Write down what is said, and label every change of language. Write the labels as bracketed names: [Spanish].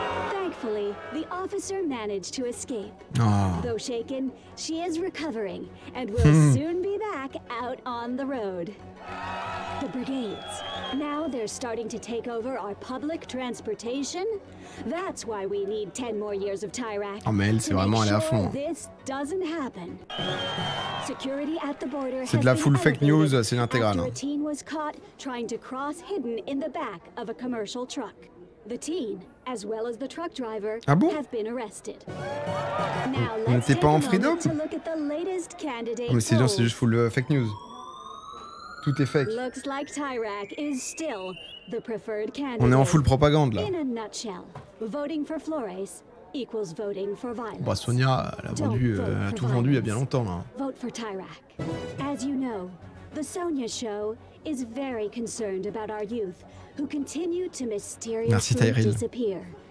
[English] Thankfully, the officer managed to escape. Oh. Though shaken, she is recovering and will soon be back out on the road. The brigades. Now they're starting to take over our public transportation. That's why we need 10 more years of Tyrak. [French] Oh, mais elle, c'est vraiment aller à fond. [English] This doesn't happen. Security at the border. [French] C'est de la full fake news, c'est l'intégrale. [English] A teen was caught trying to cross hidden in the back of a commercial truck. The teen, as well as the truck driver, [French] ah bon, [English] have been arrested. [French] Now, on était pas en freedom. Oh, mais c'est juste full fake news. Tout est fake. [English] Looks like Tyrak is still the preferred candidate. [French] On est en full propagande là. [English] In a nutshell, voting for Flores equals voting for violence. [French] Bah Sonia, elle a vendu, elle a tout vendu il y a bien longtemps là. [English] Vote for Tyrak. As you know, the Sonia Show is very concerned about our youth who continue to mysteriously disappear.